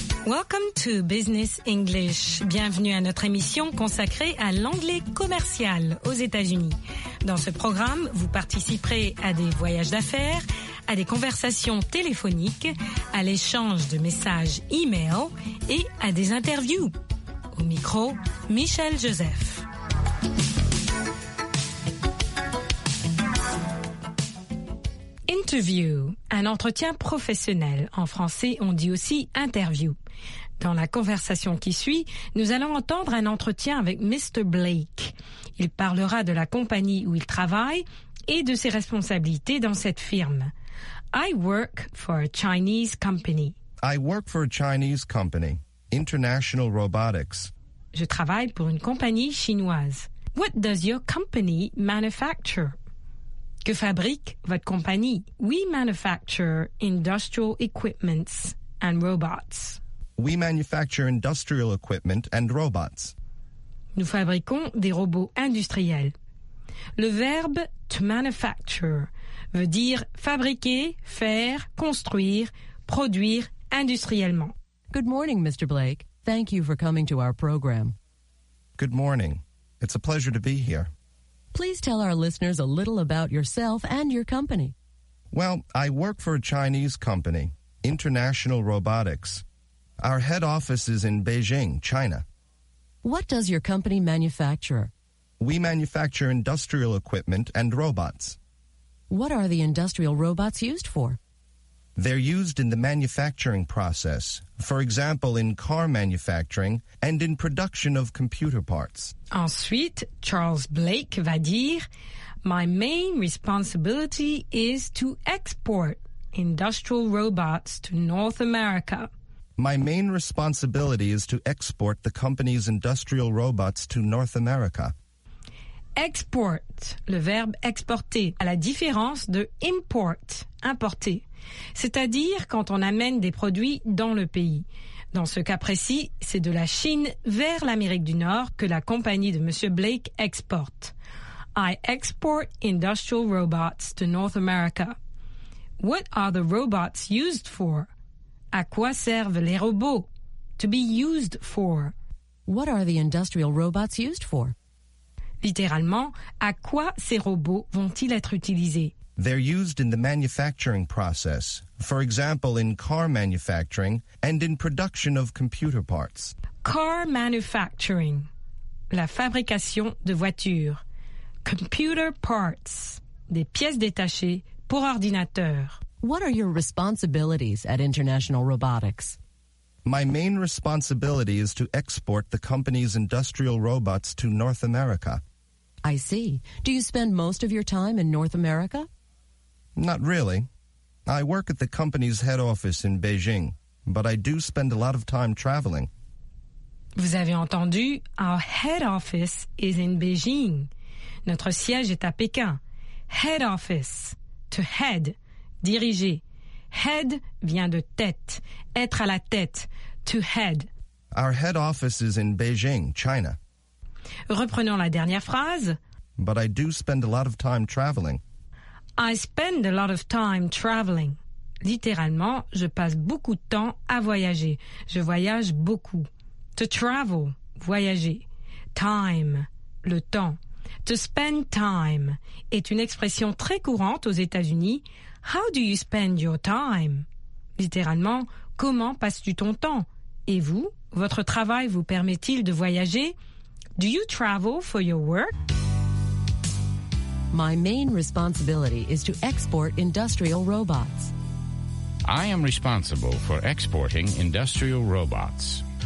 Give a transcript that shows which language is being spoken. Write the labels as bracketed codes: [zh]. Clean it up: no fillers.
[en] Welcome to Business English. [fr] Bienvenue à notre émission consacrée à l'anglais commercial aux États-Unis. Dans ce programme, vous participerez à des voyages d'affaires, à des conversations téléphoniques, à l'échange de messages e-mail et à des interviews. Au micro, Michel Joseph. Interview, un entretien professionnel. En français, on dit aussi interview. Dans la conversation qui suit, nous allons entendre un entretien avec Mr. Blake. Il parlera de la compagnie où il travaille et de ses responsabilités dans cette firme. [en] I work for a Chinese company. I work for a Chinese company, International Robotics. [fr] Je travaille pour une compagnie chinoise. [en] What does your company manufacture? [fr] Que fabrique votre compagnie? [en] We manufacture industrial equipments and robots. We manufacture industrial equipment and robots. [fr] Nous fabriquons des robots industriels. Le verbe to manufacture veut dire fabriquer, faire, construire, produire industriellement. [en] Good morning, Mr. Blake. Thank you for coming to our program. Good morning. It's a pleasure to be here. Please tell our listeners a little about yourself and your company. Well, I work for a Chinese company, International Robotics. Our head office is in Beijing, China. What does your company manufacture? We manufacture industrial equipment and robots. What are the industrial robots used for? They're used in the manufacturing process, for example, in car manufacturing and in production of computer parts. [fr] Ensuite, Charles Blake va dire, [en] My main responsibility is to export industrial robots to North America. My main responsibility is to export the company's industrial robots to North America. [fr] Export, le verbe exporter, à la différence de import, importer. C'est-à-dire quand on amène des produits dans le pays. Dans ce cas précis, c'est de la Chine vers l'Amérique du Nord que la compagnie de M. [en] Blake [fr] exporte. [en] I export industrial robots to North America. What are the robots used for? [fr] À quoi servent les robots? [en] To be used for. What are the industrial robots used for? [fr] Littéralement, à quoi ces robots vont-ils être utilisés? [en] They're used in the manufacturing process, for example, in car manufacturing and in production of computer parts. Car manufacturing, [fr] la fabrication de voitures. [en] Computer parts, [fr] des pièces détachées pour ordinateur. [en] What are your responsibilities at International Robotics? My main responsibility is to export the company's industrial robots to North America. I see. Do you spend most of your time in North America? Not really. I work at the company's head office in Beijing, but I do spend a lot of time traveling. [fr] Vous avez entendu, [en] our head office is in Beijing. [fr] Notre siège est à Pékin. Head office, [en] to head, [fr] diriger. Head vient de tête, être à la tête, to head. [en] Our head office is in Beijing, China. [fr] Reprenons la dernière phrase. [en] But I do spend a lot of time traveling. I spend a lot of time traveling. [fr] Littéralement, je passe beaucoup de temps à voyager. Je voyage beaucoup. [en] To travel, [fr] voyager. Time, le temps. [en] To spend time [fr] est une expression très courante aux États-Unis. [en] How do you spend your time? [fr] Littéralement, comment passes-tu ton temps? Et vous, votre travail vous permet-il de voyager? [en] Do you travel for your work? My main responsibility is to export industrial robots. I am responsible for exporting industrial robots.